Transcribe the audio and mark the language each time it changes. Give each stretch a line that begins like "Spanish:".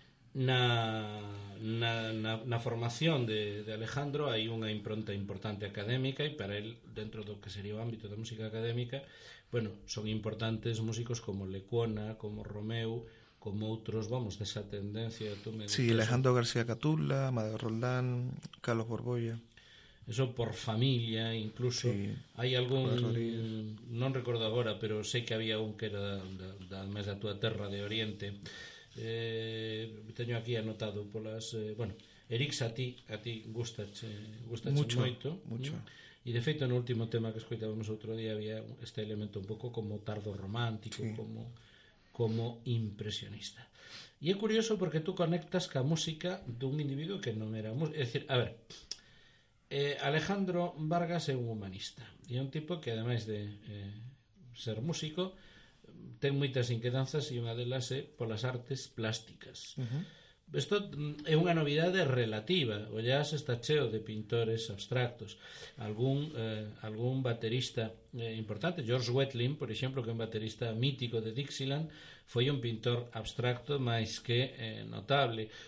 Galician: Na formación de Alejandro hai unha impronta importante académica, e para él, dentro do que sería o ámbito da música académica, bueno, son importantes músicos como Lecuona, como Romeu, como outros, vamos, desa tendencia,
Spanish: tú me dices. Sí, Alejandro García Catula, Amadeo Roldán, Carlos Borbolla. Eso por familia, incluso.
Galician: Sí, hai algún, non recordo agora, pero sei que había un que era máis da túa terra de Oriente. Teño aquí anotado polas... Eric Satie, a ti gustache moito.
Spanish: Mucho.
Galician: Y de feito, no último tema que escoitábamos outro día, había este elemento un pouco como tardo romántico, sí, como impresionista. E é curioso porque tú conectas ca música dun individuo que non era músico. É dicir, a ver, Alejandro Vargas é un humanista. E é un tipo que, ademais de ser músico, ten moitas inquedanzas e unha delas é polas artes plásticas. Isto é unha novidade relativa. O jazz está cheo de pintores abstractos. Algún baterista importante, George Wetling, por exemplo, que é un baterista mítico de Dixieland, foi un pintor abstracto máis que notable.